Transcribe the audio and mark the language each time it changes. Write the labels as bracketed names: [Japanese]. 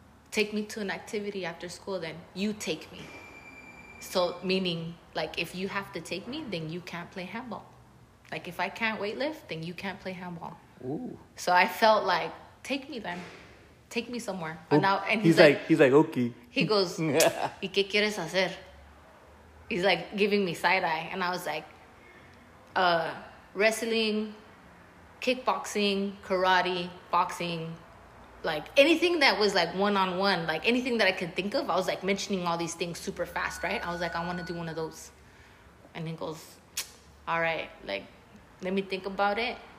[English] Take me to an activity after school, then you take me. So meaning, like, if you have to take me, then you can't play handball. Like, if I can't weightlift, then you can't play handball. Ooh. So I felt like, take me then. Take me somewhere. Oh. And he's like, okay. He goes, [Spanish] ¿y qué quieres hacer? [English] He's like giving me side eye. And I was like, wrestling, kickboxing, karate, boxing, like anything that was like one-on-one, like anything that I could think of. I was like mentioning all these things super fast, right? I was like, I want to do one of those. And he goes, all right, like, let me think about it.